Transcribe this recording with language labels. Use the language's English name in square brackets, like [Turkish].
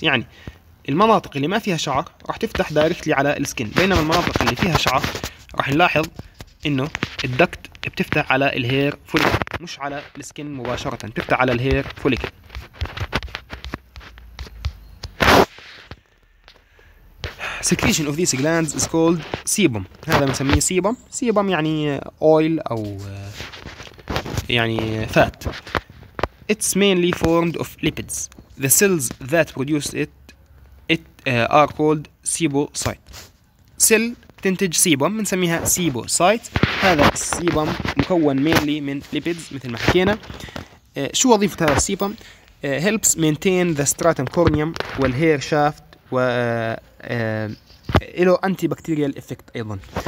[Arabic] يعني المناطق اللي ما فيها شعر راح تفتح دايركتلي على السكن، بينما المناطق اللي فيها شعر راح نلاحظ انه الدكت بتفتح على الهير فوليكل مش على السكن مباشره، تفتح على الهير فوليكل. [English] secretion of this glands is called sebum, [Arabic] هذا بنسميه سيبوم. سيبوم يعني اويل او يعني فات. [English] It's mainly formed of lipids. The cells that produce it are called sebocytes. [Arabic] Cell تنتج سيبوم بنسميها سيبوسايت. هذا السيبوم مكون mainly من lipids مثل ما حكينا. شو وظيفة هذا السيبوم؟ [English] Helps maintain the stratum corneum [Arabic] والهير شافت، وإله antibacterial effect أيضا.